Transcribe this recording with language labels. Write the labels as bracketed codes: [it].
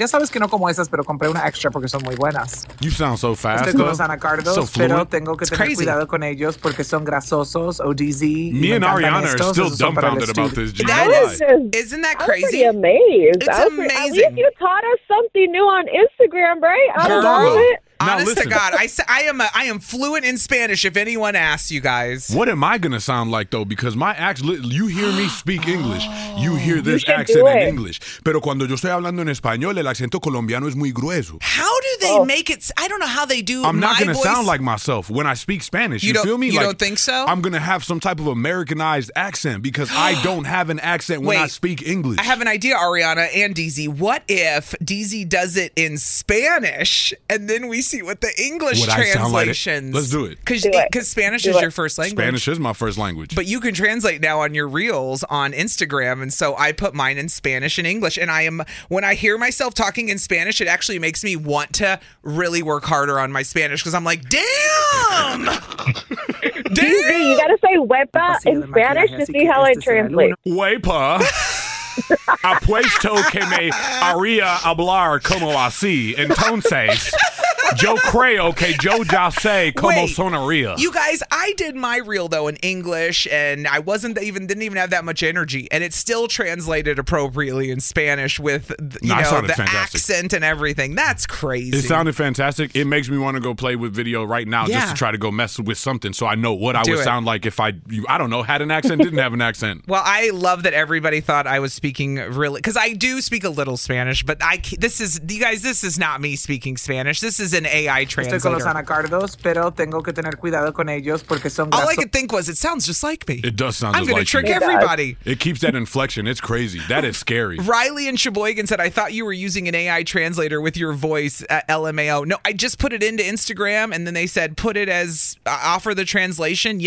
[es] Ya sabes que no como esas, pero compré una extra porque son muy buenas. [en] You sound so fast. [es] Estoy con los anacardos, pero tengo que tener cuidado con ellos porque son grasosos, ODZ. [en] Me and Ariana are still dumbfounded about this. Isn't that crazy? I'm pretty amazed. It's amazing. At least you taught us something new on Instagram, right? I don't know it. Now, honest listen. To God, I am fluent in Spanish if anyone asks, you guys. What am I going to sound like, though? Because my accent, you hear me speak English. You hear this you accent in English. [es] Pero cuando yo estoy hablando en español, el acento colombiano es muy grueso. [en] How do they make it? I don't know how they do I'm my voice. I'm not going to sound like myself when I speak Spanish. You feel me? You don't think so? I'm going to have some type of Americanized accent because I don't have an accent when I speak English. I have an idea, Ariana and DZ. What if DZ does it in Spanish and then we see what the English translations. Like, let's do it. Because Spanish is your first language. Spanish is my first language. But you can translate now on your reels on Instagram. And so I put mine in Spanish and English. And when I hear myself talking in Spanish, it actually makes me want to really work harder on my Spanish. Because I'm like, damn! DZ, you got to say huepa in Spanish to see how it translates. [es] Huepa. Apuesto que me haría hablar como así. Entonces, yo creo que yo ya sé cómo sonaría. [en] You guys, I did my reel, though, in English, and I didn't even have that much energy, and it still translated appropriately in Spanish with accent and everything. That's crazy. It sounded fantastic. It makes me want to go play with video right now just to try to go mess with something so I know what I would sound like if I had an accent, didn't have an accent. Well, I love that everybody thought I was speaking really, because I do speak a little Spanish, but this is not me speaking Spanish. This is an AI translator. [es] Estoy con los anacardos, pero tengo que tener cuidado con ellos porque son [en] grasos. All I could think was, it sounds just like me. It does sound just I'm going to trick everybody. It keeps that inflection. It's crazy. That is scary. Riley in Sheboygan said, I thought you were using an AI translator with your voice at LMAO. No, I just put it into Instagram and then they said, put it as offer the translation.